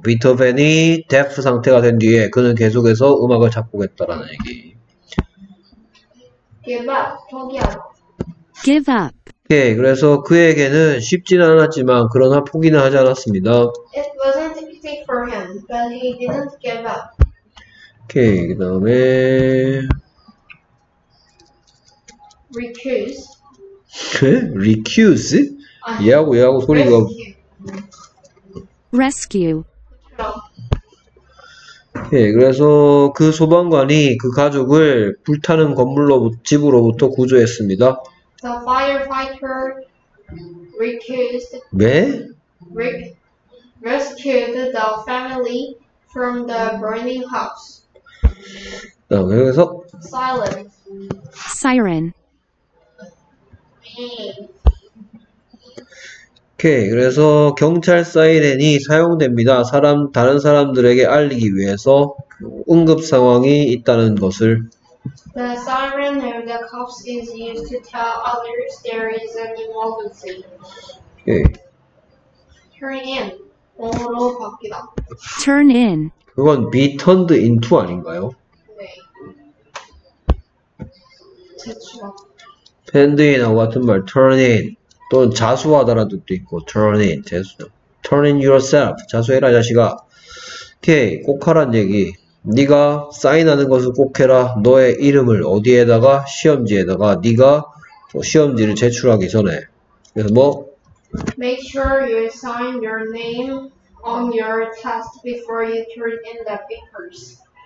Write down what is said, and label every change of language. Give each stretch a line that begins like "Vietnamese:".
Korean: 비토벤이 데프 상태가 된 뒤에 그는 계속해서 음악을 작곡했다라는 얘기.
English: Give up,
Korean: 포기하다.
English: Give up.
Korean: 오케이. 그래서 그에게는 쉽지는 않았지만 그러나 포기는 하지 않았습니다.
English: It wasn't easy for him, but he didn't give up.
Korean: 오케이. 그 다음에
English: Recuse.
Korean: 그?
English: Recuse?
Korean: 얘하고 얘하고 소리가.
English: Rescue. Rescue.
Korean: 오케이. 그래서 그 소방관이 그 가족을 불타는 건물로 집으로부터 구조했습니다.
English: The firefighter recused,
Korean: 왜?
English: rescued the family from the burning house.
Korean: 여기서
English: Silent. Siren.
Korean: 오케이. 그래서 경찰 사이렌이 사용됩니다. 다른 사람들에게 알리기 위해서 응급 상황이 있다는 것을.
English: The siren of the cops is used to tell others there is an emergency.
Korean: 오케이.
English: Turn in.
Korean: 몸으로 바뀌다.
English: turn in.
Korean: 그건
English: be turned into
Korean: 아닌가요? 제출하다. hand in하고 같은 말, turn in. 또는 자수하다라는 뜻도 있고, turn in, 자수.
English: turn in yourself.
Korean: 자수해라, 자식아. 오케이. 꼭 하란 얘기. 네가 사인하는 것을 꼭 해라. 너의 이름을 어디에다가 시험지에다가 네가 시험지를 제출하기 전에. 그래서 뭐?
English: Make sure you sign your name on your test before you turn in the papers.